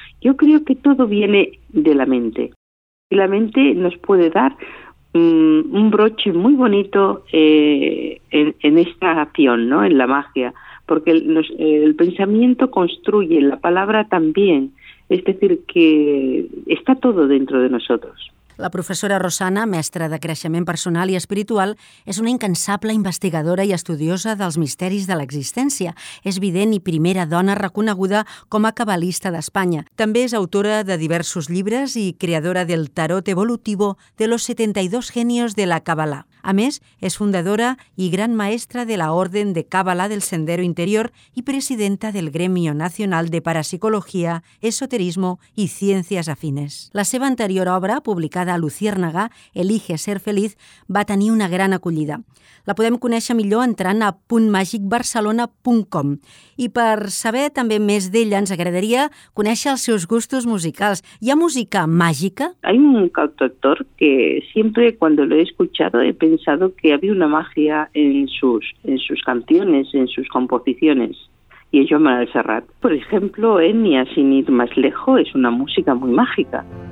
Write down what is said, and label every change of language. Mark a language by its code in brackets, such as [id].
[es] Yo creo que todo viene de la mente y la mente nos puede dar un broche muy bonito en esta acción, ¿no? En la magia, porque el pensamiento construye, la palabra también, es decir, que está todo dentro de nosotros. [ca] La professora Rosana, mestra de creixement personal i espiritual, és una incansable investigadora i estudiosa dels misteris de l'existència. És vident i primera dona reconeguda com a cabalista d'Espanya. També és autora de diversos llibres i creadora del Tarot Evolutivo de los 72 Genios de la Cabalá. A més, és fundadora i gran maestra de la Orden de Cabalá del Sendero Interior i presidenta del Gremio Nacional de Parapsicología, Esoterismo i Ciències Afines. La seva anterior obra, publicada a Luciérnaga, Elige ser feliz, va tenir una gran acollida. La podem conèixer millor entrant a puntmàgicbarcelona.com. I per saber també més d'ella, ens agradaria conèixer els seus gustos musicals. Hi ha música màgica? [es] Hay un cantautor que siempre cuando lo he escuchado he pensado que había una magia en sus canciones, en sus composiciones, y es Joan Manuel Serrat. Por ejemplo, Enya, sin ir más lejos, es una música muy mágica.